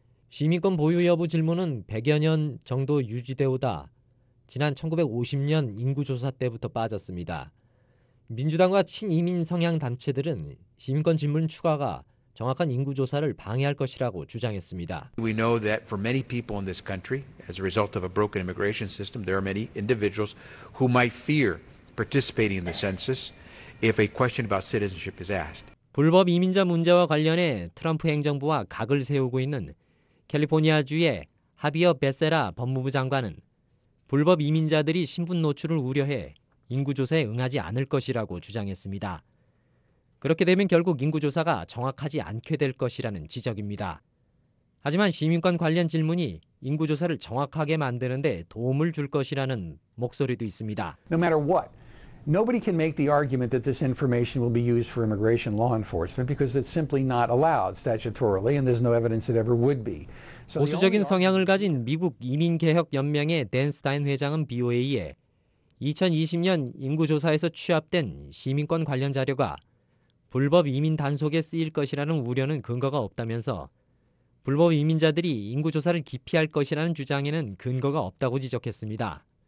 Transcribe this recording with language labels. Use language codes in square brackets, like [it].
[ko] 시민권 보유 여부 질문은 100여 년 정도 유지되오다 지난 1950년 인구조사 때부터 빠졌습니다. 민주당과 친이민 성향 단체들은 시민권 질문 추가가 정확한 인구조사를 방해할 것이라고 주장했습니다. [en] We know that for many people in this country, as a result of a broken immigration system, there are many individuals who might fear participating in the census if a question about citizenship is asked. [ko] 불법 이민자 문제와 관련해 트럼프 행정부와 각을 세우고 있는 캘리포니아주의 하비어 베세라 법무부 장관은 불법 이민자들이 신분 노출을 우려해 인구조사에 응하지 않을 것이라고 주장했습니다. 그렇게 되면 결국 인구조사가 정확하지 않게 될 것이라는 지적입니다. 하지만 시민권 관련 질문이 인구조사를 정확하게 만드는 데 도움을 줄 것이라는 목소리도 있습니다. [en] No matter what, nobody can make the argument that this information will be used for immigration law enforcement because it's simply not allowed statutorily and there's no evidence it ever would be. [ko] 보수적인 성향을 가진 미국 이민개혁연맹의 댄 스타인 회장은 BOA에 2020년 인구조사에서 취합된 시민권 관련 자료가 불법 이민 단속에 쓰일 것이라는 우려는 근거가 없다면서 불법 이민자들이 인구조사를 기피할 것이라는 주장에는 근거가 없다고 지적했습니다.